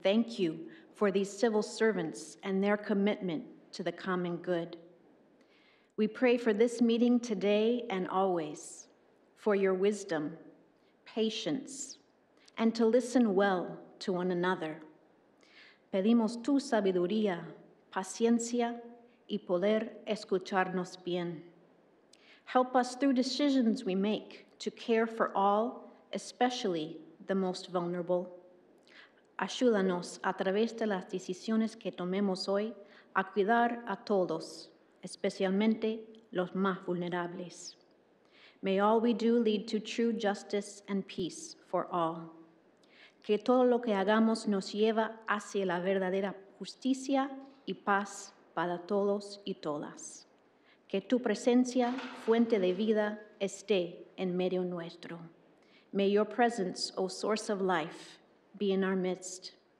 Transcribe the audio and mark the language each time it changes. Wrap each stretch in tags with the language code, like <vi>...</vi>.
<en>Thank you for these civil servants and their commitment to the common good. We pray for this meeting today and always, for your wisdom, patience, and to listen well to one another.</en> <es>Pedimos tu sabiduría, paciencia, y poder escucharnos bien.</es> <en>Help us through decisions we make to care for all, especially the most vulnerable.</en> <es>Ayúdanos a través de las decisiones que tomemos hoy a cuidar a todos, especialmente los más vulnerables.</es> <en>May all we do lead to true justice and peace for all.</en> <es>Que todo lo que hagamos nos lleva hacia la verdadera justicia y paz para todos y todas. Que tu presencia, fuente de vida, esté en medio nuestro.</es> <en>May your presence, O source of life, be in our midst.</en>